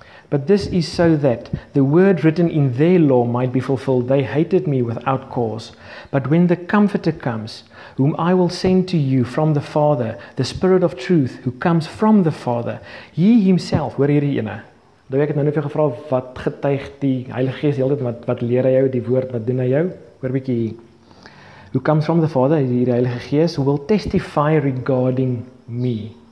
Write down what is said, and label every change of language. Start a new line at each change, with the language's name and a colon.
English: "But this is so that the word written in their law might be fulfilled. They hated me without cause. But when the Comforter comes, whom I will send to you from the Father, the Spirit of truth who comes from the Father, he himself,"
Afrikaans: hoor hierdie ene. Nou ek het nou net vir jou gevra, wat getuig die Heilige Gees heeltyd, wat leer hy jou, die woord, wat doen hy jou? Hoor bietjie hier.
English: "Who comes from the Father,"
Afrikaans: hierdie Heilige Gees,
English: "will testify regarding me."